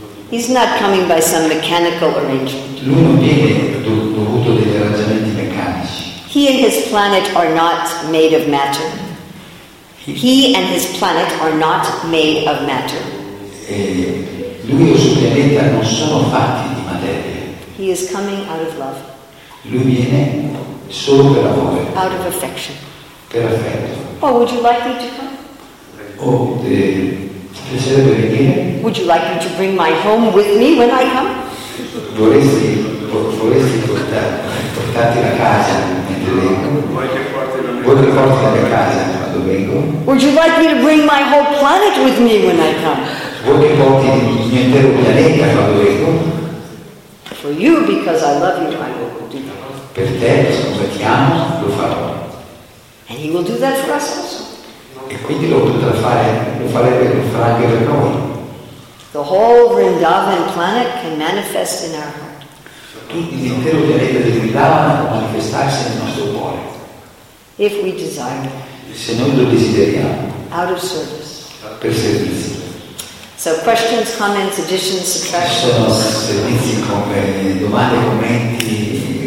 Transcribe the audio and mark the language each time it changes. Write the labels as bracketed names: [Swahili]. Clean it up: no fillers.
[English] He's not coming by some mechanical arrangement. [Italian] Lui non viene dovuto degli arrangiamenti meccanici. [English] He and his planet are not made of matter. He and his planet are not made of matter. [Italian] E lui e il suo pianeta non sono fatti di materia. [English] He is coming out of love. [Italian] Lui viene solo per amore. [English] Out of affection. [Italian] Per affetto. [English] Oh, would you like me to come? [Italian] Oh, piacerebbe venire. [English] Would you like me to bring my home with me when I come? [Italian] Vorresti portarti la casa mentre vengo? Vuoi che porti la casa quando vengo? [English] Would you like me to bring my whole planet with me when I come? [Italian] Vuoi che porti il mio intero pianeta quando vengo? [English] For you, because I love you, I will. [Italian] Per te, come ti amo, lo farò. [English] And he will do that for us also. [Italian] E quindi lo potrà fare, lo farebbe, lo farà anche per noi. [English] The whole Vrindavan planet can manifest in our heart. [Italian] L'intero pianeta di Vrindavan può manifestarsi nel nostro cuore. [English] If we desire. [Italian] Se noi lo desideriamo. [English] Out of service. [Italian] Per servizio. [English] So questions, comments, additions, suggestions. [Italian] Ci sono servizi, domande, commenti.